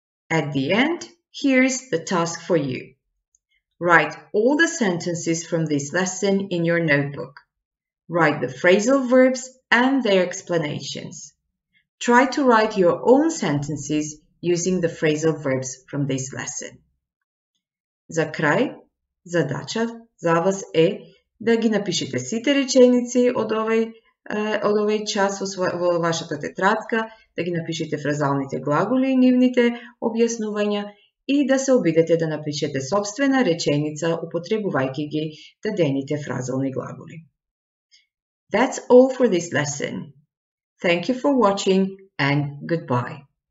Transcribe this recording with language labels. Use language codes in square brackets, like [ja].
[en] At the end, here's the task for you. Write all the sentences from this lesson in your notebook. Write the phrasal verbs and their explanations. Try to write your own sentences using the phrasal verbs from this lesson. [mk] За край, задача за вас е да ги напишете сите реченици од овој час во вашата тетрадка, да ги напишете фразалните глаголи и нивните објаснувања и да се обидете да напишете собствена реченица употребувајќи ги дадените фразални глаголи. [en] That's all for this lesson. Thank you for watching and goodbye.